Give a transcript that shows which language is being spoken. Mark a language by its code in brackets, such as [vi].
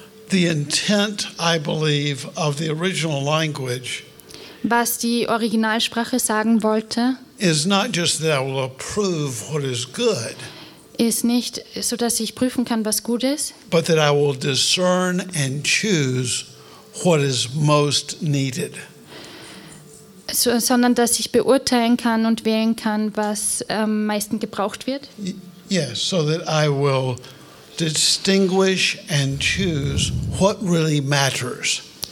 [en] The intent, I believe, of the original language. [de] Was die Originalsprache sagen wollte. [en] Is not just that I will approve what is good. [de] Ist nicht, so dass ich prüfen kann, was gut ist. [en] But that I will discern and choose what is most needed. [de] So, sondern dass ich beurteilen kann und wählen kann, was am meisten gebraucht wird. [en] Yes, so that I will distinguish and choose what really matters.